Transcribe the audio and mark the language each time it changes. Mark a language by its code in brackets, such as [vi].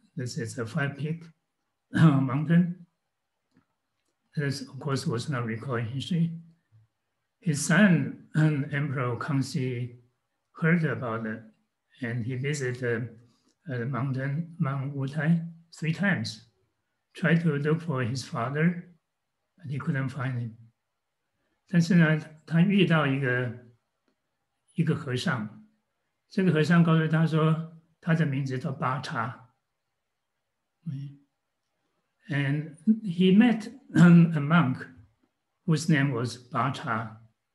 [en] This is a five peak mountain. This, of course, was not recorded in history. His son, Emperor Kangxi, heard about it and he visited the mountain, Mount Wutai, three times. Tried to look for his father, but he couldn't find him. [zh] 但是呢，他遇到一个 一个和尚，这个和尚告诉他说，他的名字叫巴查。 [en] And he met a monk whose name was 巴查.